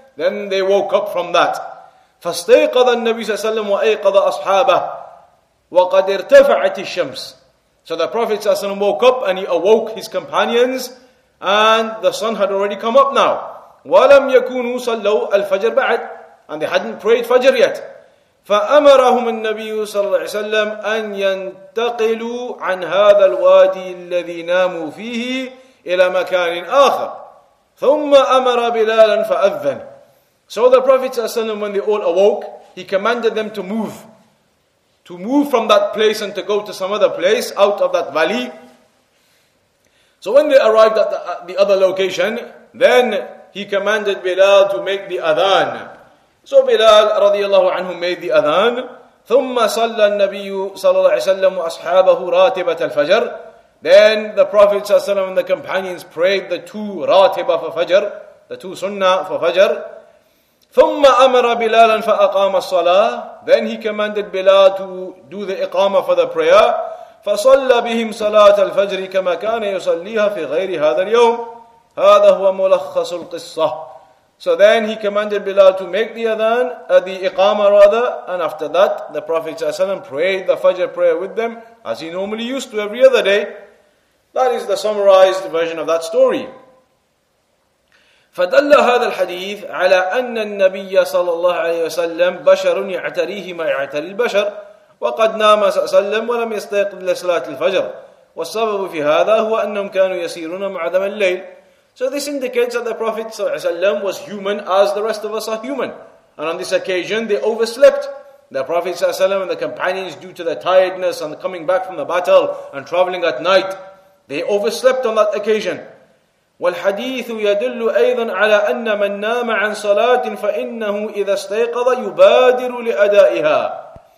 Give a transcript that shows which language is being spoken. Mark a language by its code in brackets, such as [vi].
[en] Then they woke up from that. [ar] فَاسْتَيْقَظَ النَّبِيُّ صَلَّى اللَّهُ عَلَيْهِ وَسَلَّمَ وَأَيْقَظَ أَصْحَابَهُ وَقَدْ ارْتَفَعَتِ الشَّمْسِ. [en] So the Prophet صلى الله عليه وسلم woke up and he awoke his companions and the sun had already come up now. [ar] وَلَمْ يَكُونُوا صَلَّوْا الْفَجْرَ بَعْدَ. [en] And they hadn't prayed Fajr yet. [ar] فأمرهم النبي صلى الله عليه وسلم أن ينتقلوا عن هذا الوادي الذي ناموا فيه إلى مكان آخر ثم أمر بلالا فأذن. [en] So the Prophet صلى الله عليه وسلم, when they all awoke, he commanded them to move from that place and to go to some other place out of that valley. So when they arrived at the other location, then he commanded Bilal to make the adhan. So Bilal radiallahu anhu made the adhan. [ar] ثم صلى النبي صلى الله عليه وسلم وأصحابه راتبة الفجر. [en] Then the Prophet صلى الله عليه وسلم and the companions prayed the two راتبة for Fajr, the two sunnah for Fajr. [ar] ثم أمر بلالا فأقام الصلاة. [en] Then he commanded Bilal to do the إقامة for the prayer. [ar] فصلى بهم صلاة الفجر كما كان يصليها في غير هذا اليوم. هذا هو ملخص القصة. [en] So then he commanded Bilal to make the adhan, the iqama, and after that the Prophet ﷺ prayed the Fajr prayer with them as he normally used to every other day. That is the summarized version of that story. [ar] فدل هذا الحديث على أن النبي صلى الله عليه وسلم بشر يعتريه ما يعتري البشر وقد نام صلى الله عليه وسلم ولم يستيقظ لصلاة الفجر والسبب في هذا هو أنهم كانوا يسيرون معدم الليل. [en] So this indicates that the Prophet ﷺ was human as the rest of us are human. And on this occasion, they overslept. The Prophet ﷺ and the companions, due to their tiredness and coming back from the battle and traveling at night, they overslept on that occasion. [ar] وَالْحَدِيثُ يَدُلُّ أَيْضًا عَلَىٰ أَنَّ مَنْ نَامَ عَنْ صَلَاةٍ فَإِنَّهُ إِذَا اسْتَيْقَظَ يُبَادِرُ لِأَدَائِهَا.